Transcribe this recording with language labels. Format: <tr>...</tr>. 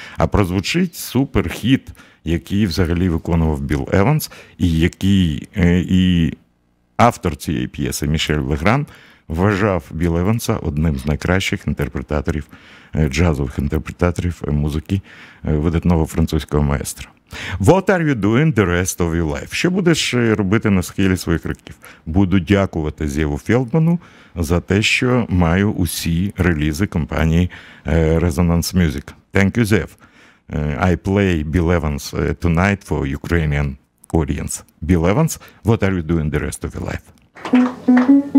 <uk>А прозвучить супер-хіт, який взагалі виконував Біл Еванс, і який і автор цієї п'єси Мішель Легран вважав Біла Еванса одним з найкращих інтерпретаторів, джазових інтерпретаторів музики видатного французького маестро.</uk> <en>What are you doing the rest of your life?</en> <uk>Що будеш робити на схилі своїх років? Буду дякувати Зєву Фелдману за те, що маю усі релізи компанії Resonance Music.</uk> <en>Thank you, Zev. I play Bill Evans tonight for Ukrainian audience. Bill Evans, what are you doing the rest of your life?</en>